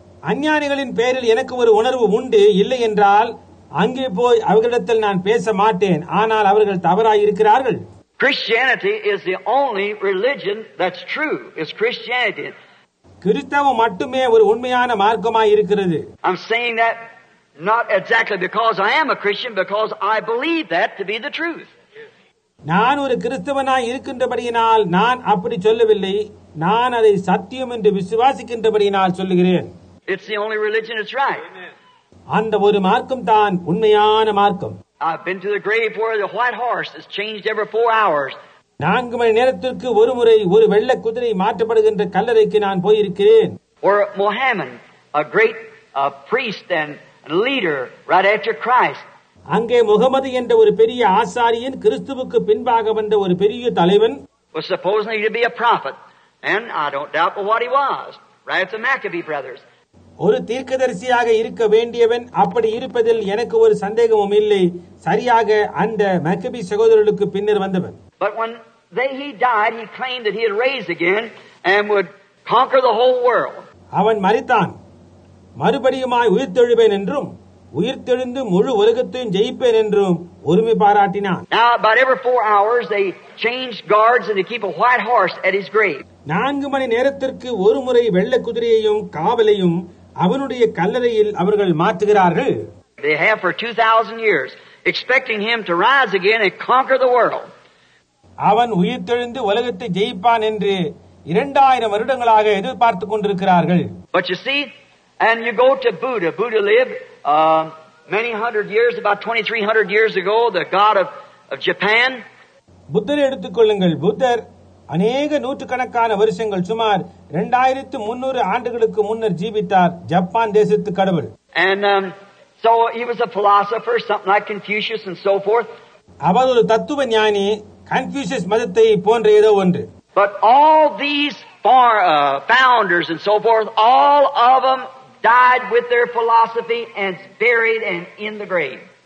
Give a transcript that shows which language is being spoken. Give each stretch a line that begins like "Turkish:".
Tamil: அஞ்ஞானிகளின் பேரில் எனக்கு ஒரு உணர்வு உண்டு, இல்லை என்றால் அங்கே போய் அவர்களிடத்தில் நான் பேச மாட்டேன், ஆனால் அவர்கள் தவறாய் இருக்கிறார்கள்.
English: Christianity is the only religion that's true. It's Christianity.
Tamil: கிறிஸ்தவம் மட்டுமே ஒரு உண்மையான மார்க்கமாய் இருக்கிறது.
English: I'm saying that not exactly because I am a Christian because I believe that to be the truth.
Tamil: நான் ஒரு கிறிஸ்தவனாய் இருக்கின்றபடியினால் நான் அப்படி சொல்லவில்லை, நான் அதை சத்தியம் என்று விசுவாசிக்கின்றபடியினால் சொல்லுகிறேன்.
English: It's the only religion that's right.
Tamil: அந்த ஒரு மார்க்கம் தான் உண்மையான மார்க்கம்.
English: I've been to the grave where the white horse has changed every 4 hours.
Tamil: 4 மணி நேரத்துக்கு ஒரு முறை ஒரு வெள்ளை குதிரை மாற்றப்படுகின்ற கல்லறைக்கு நான் போயிருக்கிறேன்.
English: Or Mohammed, a great priest and leader right after Christ.
Tamil: அங்கே முகமது என்ற ஒரு பெரிய ஆசாரியன், கிறிஸ்துவுக்கு பின்பாக வந்த ஒரு பெரிய தலைவன்.
English: Was supposed to be a prophet and I don't doubt what he was. Right at the Maccabee brothers.
Tamil: ஒரு தீர்க்கதரிசியாக இருக்க வேண்டியவன், அப்படி இருப்பதில் எனக்கு ஒரு சந்தேகமும் இல்லை, சரியாக அந்த மக்கபி சகோதரர்களுக்கு பின்னர் வந்தவன்.
English: But when he died he claimed that he had raised again and would conquer the whole world.
Tamil: அவன் மரித்தான், மறுபடியுமாய் உயிர்த்தெழுவேன் என்றும் உயிர்த்தெழுந்து முழு உலகத்தையும் ஜெயிப்பேன் என்றும் உரிமை பாராட்டினான்.
English: Now about every 4 hours they changed guards and they keep a white horse at his grave.
Tamil: 4 மணி நேரத்திற்கு ஒரு முறை வெள்ளை குதிரையையும் காவலையும் அவனுடைய கல்லறையில் அவர்கள் மாற்றுகிறார்கள்.
English: They have for 2000 years expecting him to rise again and conquer the world.
Tamil: அவன் உயிர்த்தெழுந்து உலகத்தை ஜெயிப்பான் என்று 2000 வருடங்களாக எதிர்பார்த்து கொண்டிருக்கிறார்கள்.
English: But you see and you go to Buddha. Buddha lived many hundred years, about 2300 years ago, the god of Japan.
Tamil: புத்தரை எடுத்துக்கொள்ளுங்கள். புத்தர் அநேக நூற்றுக்கணக்கான வருஷங்கள், சுமார் 2300 ஆண்டுகளுக்கு முன்னர் ஜீவித்தார் ஜப்பான் தேசத்து கடவுள்.
English: And so he was a philosopher, something like Confucius and so forth.
Tamil: அவர் ஒரு தத்துவ ஞானி, கன்ஃபியூசியஸ் மதத்தை போன்ற ஏதோ ஒன்று.
English: But all these founders and so forth, all of them died with their philosophy and buried and in the grave.